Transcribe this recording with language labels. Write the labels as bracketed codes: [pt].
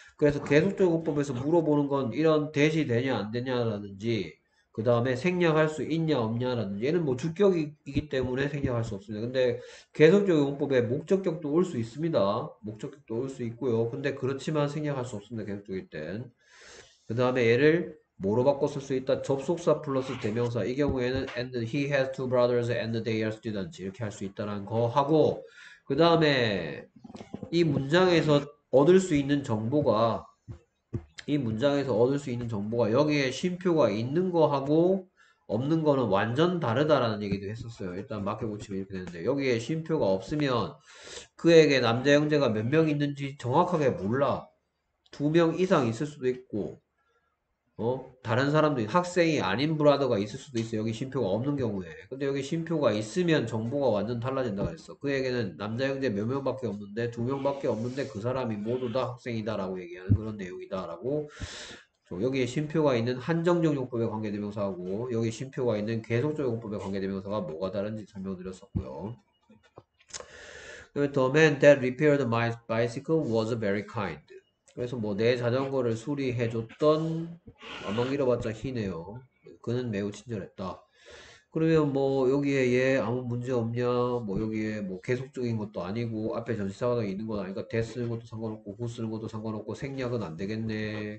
[ko] 그래서 계속적용법에서 물어보는 건 이런 대시 되냐 안 되냐라든지, 그 다음에 생략할 수 있냐 없냐라든지, 얘는 뭐 주격이기 때문에 생략할 수 없습니다. 근데 계속적용법에 목적격도 올수 있습니다. 목적격도 올수 있고요. 근데 그렇지만 생략할 수 없습니다. 계속적일 땐. 그 다음에 얘를 뭐로 바꿔 쓸수 있다? 접속사 플러스 대명사. 이 경우에는 [en] and he has two brothers and they are students. [ko] 이렇게 할수 있다는 거 하고, 그 다음에 이 문장에서 얻을 수 있는 정보가, 이 문장에서 얻을 수 있는 정보가 여기에 쉼표가 있는 거 하고 없는 거는 완전 다르다라는 얘기도 했었어요. 일단 마켓 고치면 이렇게 되는데, 여기에 쉼표가 없으면 그에게 남자 형제가 몇명 있는지 정확하게 몰라. 두명 이상 있을 수도 있고, 다른 사람들이 학생이 아닌 브라더가 있을 수도 있어요. 여기 쉼표가 없는 경우에. 근데 여기 쉼표가 있으면 정보가 완전 달라진다고 그랬어. 그에게는 남자 형제 몇 명밖에 없는데, 두 명밖에 없는데 그 사람이 모두 다 학생이다라고 얘기하는 그런 내용이다라고. 여기에 쉼표가 있는 한정적 용법에 관계대명사하고, 여기 쉼표가 있는 계속적 용법에 관계대명사가 뭐가 다른지 설명드렸었고요. [en] The man that repaired my bicycle was very kind. [ko] 그래서 뭐내 자전거를 수리해줬던, 안만 길어봤자 희네요. 그는 매우 친절했다. 그러면 뭐 여기에 얘 아무 문제 없냐, 뭐 여기에 뭐 계속적인 것도 아니고 앞에 전치사가 있는 건 아니니까 대 쓰는 것도 상관없고 후 쓰는 것도 상관없고 생략은 안 되겠네.